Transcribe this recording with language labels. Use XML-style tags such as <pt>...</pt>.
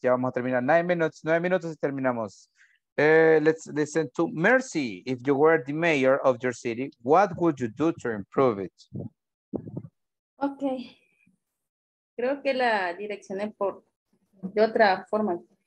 <es>Ya vamos a terminar, nueve minutos y terminamos.</es> <en>Let's listen to Mercy. If you were the mayor of your city, what would you do to improve it? Okay.</en> <es>Creo que la direccioné por de otra forma.</es>